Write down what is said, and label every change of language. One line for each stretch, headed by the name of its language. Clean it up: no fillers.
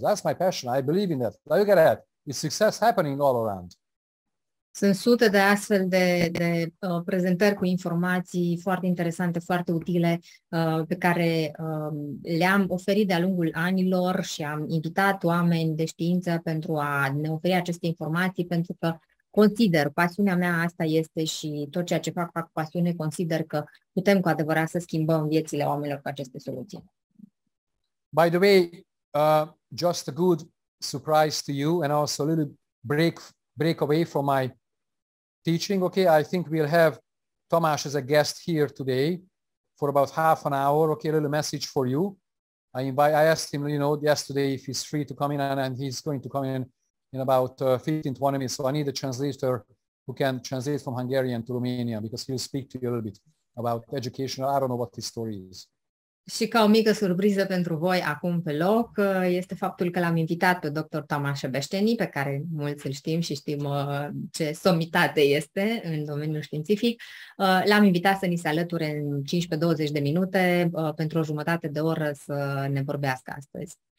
English: That's my passion. I believe in that. Look at that. It's success happening all around.
Romanian: Sunt sute de astfel de prezentări cu informații foarte interesante, foarte utile, pe care le-am oferit de-a lungul anilor și am invitat oameni de știință pentru a ne oferi aceste informații, pentru că consider, pasiunea mea asta este și tot ceea ce fac cu pasiune, consider că putem cu adevărat să schimbăm viețile oamenilor cu aceste soluții.
English: By the way, just a good surprise to you and also a little break away from my teaching. Okay, I think we'll have Tomas as a guest here today for about half an hour. Okay, a little message for you. I asked him, you know, yesterday if he's free to come in, and he's going to come in about 15-20 minutes. So I need a translator who can translate from Hungarian to Romanian, because he'll speak to you a little bit about education. I don't know what his story is.
Romanian: Și ca o mică surpriză pentru voi acum pe loc, este faptul că l-am invitat pe Dr. Tamás Beșteni, pe care mulți îl știm și știm ce somitate este în domeniul științific. L-am invitat să ni se alăture în 15-20 de minute pentru o jumătate de oră să ne vorbească astăzi.